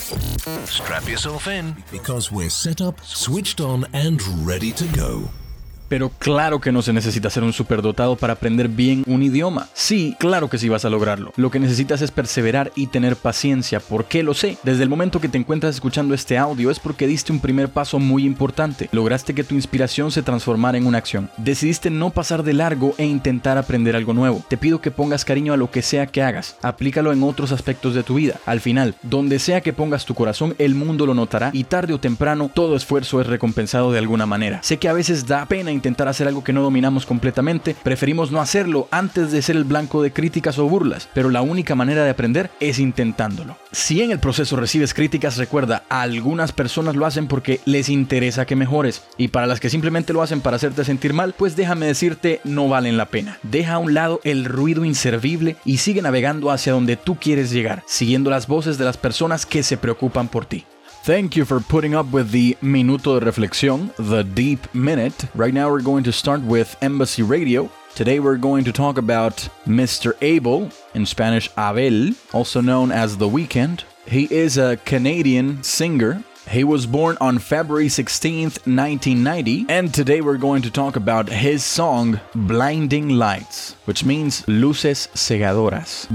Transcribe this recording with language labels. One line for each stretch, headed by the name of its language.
English: Strap yourself in, because we're set up, switched on, and ready to go.
Spanish: Pero claro que no se necesita ser un superdotado para aprender bien un idioma. Sí, claro que sí vas a lograrlo. Lo que necesitas es perseverar y tener paciencia. ¿Por qué lo sé? Desde el momento que te encuentras escuchando este audio es porque diste un primer paso muy importante. Lograste que tu inspiración se transformara en una acción. Decidiste no pasar de largo e intentar aprender algo nuevo. Te pido que pongas cariño a lo que sea que hagas. Aplícalo en otros aspectos de tu vida. Al final, donde sea que pongas tu corazón, el mundo lo notará y tarde o temprano todo esfuerzo es recompensado de alguna manera. Sé que a veces da pena a intentar hacer algo que no dominamos completamente, preferimos no hacerlo antes de ser el blanco de críticas o burlas, pero la única manera de aprender es intentándolo. Si en el proceso recibes críticas, recuerda, algunas personas lo hacen porque les interesa que mejores, y para las que simplemente lo hacen para hacerte sentir mal, pues déjame decirte, no valen la pena. Deja a un lado el ruido inservible y sigue navegando hacia donde tú quieres llegar, siguiendo las voces de las personas que se preocupan por ti.
English: Thank you for putting up with the
Spanish: minuto de reflexión,
English: the deep minute. Right now we're going to start with Embassy Radio. Today we're going to talk about Mr. Abel, in Spanish Abel, also known as The Weeknd. He is a Canadian singer. He was born on February 16th, 1990, and today we're going to talk about his song Blinding Lights, which means
Spanish: Luces Cegadoras.